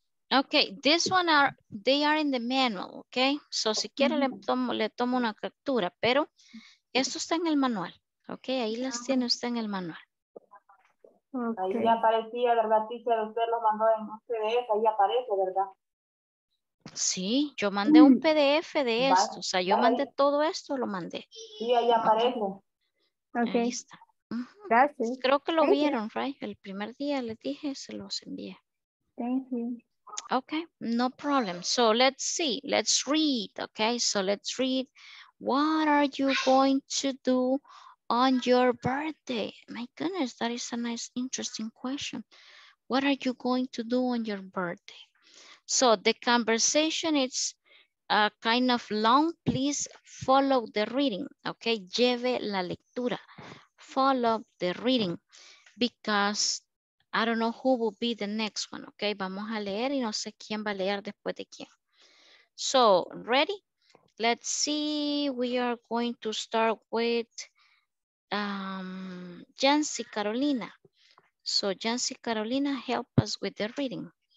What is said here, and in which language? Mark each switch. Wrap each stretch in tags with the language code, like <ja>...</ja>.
<en>Okay, this one they are in the manual, okay?</en> <es>So si quiere le tomo una captura, pero esto está en el manual, okay? Ahí las tiene usted en el manual. Okay. Ahí aparecía, ¿verdad, teacher? Usted lo mandó en un PDF, ahí aparece, ¿verdad? Sí, yo mandé un PDF de esto. O sea, yo mandé todo esto, lo mandé. Sí, ahí aparece. Okay. Ahí está. Gracias. Creo que lo vieron, right? El primer día les dije, se los envié.</es> <en>Thank you. Okay, no problem. So let's see. Let's read. Okay, so let's read. What are you going to do on your birthday? My goodness, that is a nice, interesting question. What are you going to do on your birthday? So the conversation is kind of long. Please follow the reading. Okay,</en> <es>lleve la lectura.</es> <en>Follow the reading because I don't know who will be the next one, okay?</en> <es>Vamos a leer y no sé quién va a leer después de quién.</es> <en>So, ready? Let's see, we are going to start with Jancy Carolina. So, Jancy Carolina, help us with the reading.</en>